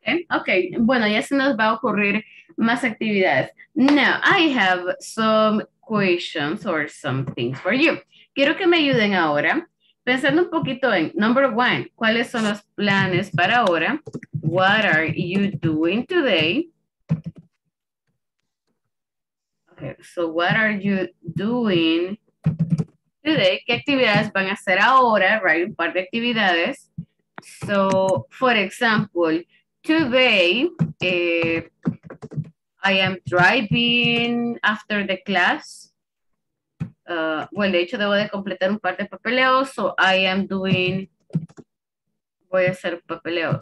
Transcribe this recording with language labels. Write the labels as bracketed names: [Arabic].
[Spanish] Okay, bueno, ya se nos va a ocurrir más actividades. [English] Now, I have some questions or some things for you. [Spanish] Quiero que me ayuden ahora, pensando un poquito en, [English] number one, [Spanish] ¿cuáles son los planes para ahora? [English] What are you doing today? Okay, so what are you doing today? [Spanish] ¿Qué actividades van a hacer ahora? Right, un par de actividades. [English] So, for example, today, I am driving after the class. [Spanish] Bueno, de hecho, debo de completar un par de papeleos. [English] So, I am doing, [Spanish] voy a hacer papeleo.